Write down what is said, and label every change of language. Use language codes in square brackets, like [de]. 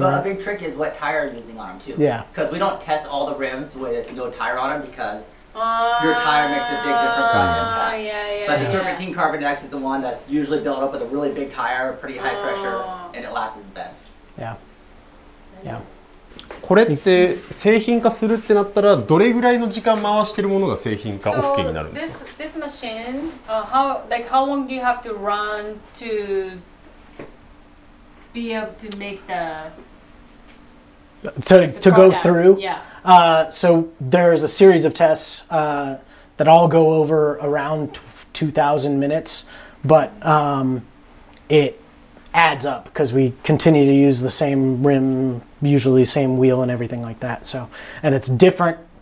[en] But the big trick is what tire you're using on them too. Yeah. Because we don't test all the rims with no tire on them because your tire makes a big difference. But the serpentine carbon X is the one that's usually built up with a really big tire, pretty high pressure, and it lasts the best. Yeah. Yeah. [ja] これって製品化するってなったらどれぐらいの時間回してるものが製品化 OK になるんですか？ [en] So this machine, how long do you have to run to be able to make the to go through? Yeah. So there's a series of tests that all go over around 2,000 minutes, but it adds up because we continue to use the same rim, usually same wheel and everything like that. So, and it's different